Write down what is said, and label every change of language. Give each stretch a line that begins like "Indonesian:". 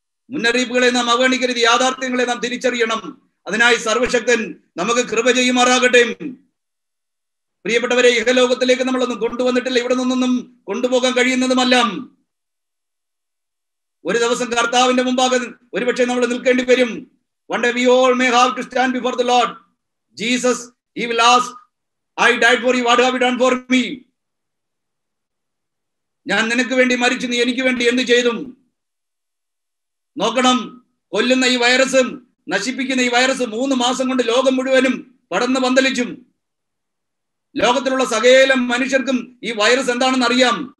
Malayalam: മുന്നറിയിപ്പുകളെ നാം അവഗണിക്കരുത്, യാഥാർത്ഥ്യങ്ങളെ നാം തിരിച്ചറിയണം. അതിനായി സർവശക്തൻ നമുക്ക് കൃപ ചെയ്യുമാറാകട്ടെ. പ്രിയപ്പെട്ടവരെ, ഇഹലോകത്തിലേക്ക് നമ്മളൊന്നും കൊണ്ടുവന്നിട്ടില്ല, ഇവിടെ നിന്നൊന്നും കൊണ്ടുപോകാൻ കഴിയുന്നതുമല്ല. ഒരു ദിവസം കർത്താവിന്റെ മുമ്പാകെ ഒരുപക്ഷെ നമ്മൾ നിൽക്കേണ്ടി വരും.
English: One day we all may have to stand before the Lord. Jesus, he will ask, I died for you, what have you done for me?
Malayalam: ഞാൻ നിനക്ക് വേണ്ടി മരിച്ചു, നീ എനിക്ക് വേണ്ടി എന്ത് ചെയ്തു? നോക്കണം, കൊല്ലുന്ന ഈ വൈറസ്, നശിപ്പിക്കുന്ന ഈ വൈറസ് 3 മാസം കൊണ്ട് ലോകം മുഴുവനും പടർന്ന് പന്തലിച്ചു. ലോകത്തിലുള്ള സകലം മനുഷ്യർക്കും ഈ വൈറസ് എന്താണെന്ന് അറിയാം.